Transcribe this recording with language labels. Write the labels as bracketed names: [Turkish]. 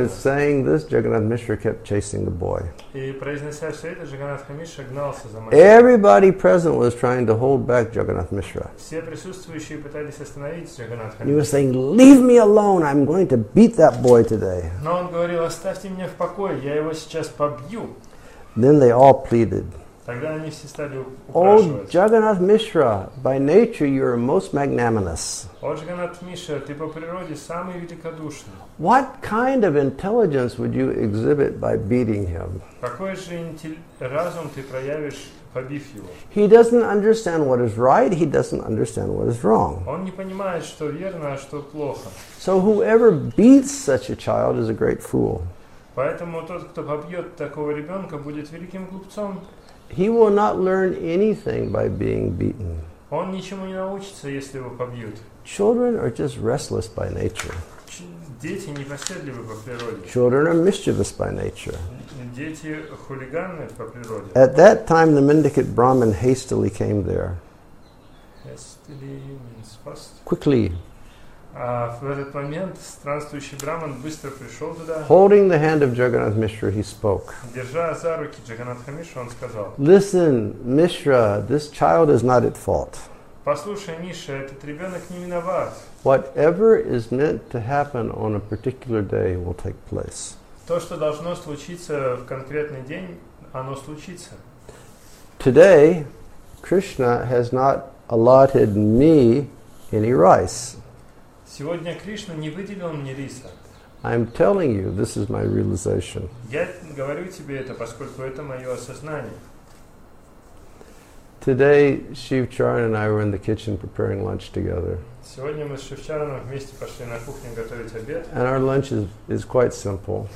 [English] And saying this, Jagannath Mishra kept chasing the boy. [Russian] И произнося все это, Джаганнатха Мишра гнался за мальчиком. [English] Everybody present was trying to hold back Jagannath Mishra. [Russian] Все присутствующие пытались остановить Джаганнатха [English] Мишра. He was saying, "Leave me alone! I'm going to beat that boy today." [Russian] Но он говорил: "Оставьте меня в покое, я его сейчас побью." [English] Then they all pleaded. [Russian] Тогда они все стали упрашивать. О, [English] Джаганнат Мишра, by nature you are most magnanimous. [Russian] О, Джаганнат Мишра, ты по природе самый великодушный. [English] What kind of intelligence would you exhibit by beating him? [Russian] Какой же разум ты проявишь, побив его? [English] He doesn't understand what is right, he doesn't understand what is wrong. [Russian] Он не понимает, что верно, а что плохо. [English] So whoever beats such a child is a great fool. [Russian] Поэтому тот, кто побьет такого ребенка, будет великим глупцом. [English] He will not learn anything by being beaten. [Russian] Он ничему не научится, если его побьют. [English] Children are just restless by nature. [Russian] Дети непоседливы по природе. [English] Children are mischievous by nature. [Russian] Дети хулиганы по природе. [English] At that time, the mendicant Brahmin hastily came there. Hastily means fast. Quickly. [Russian] В этот момент странствующий Браман быстро пришел туда. [English] Holding the hand of Jagannath Mishra, he spoke. [Russian] Держа за руки Джаганнатха Мишру, он сказал: [English] Listen, Mishra, this child is not at fault. [Russian] Послушай, Миша, этот ребенок не виноват. [English] Whatever is meant to happen on a particular day will take place. [Russian] То, что должно случиться в конкретный день, оно случится. [English] Today, Krishna has not allotted me any rice. [Russian] Сегодня Кришна не выделил мне риса. [English] I'm telling you, this is my realization. [Russian] Я говорю тебе это, поскольку это мое осознание. [English] Today, Shiv Charan and I were in the kitchen preparing lunch together. [Russian] Сегодня мы с Шив Чараном вместе пошли на кухню готовить обед. [English] And our lunch is quite simple.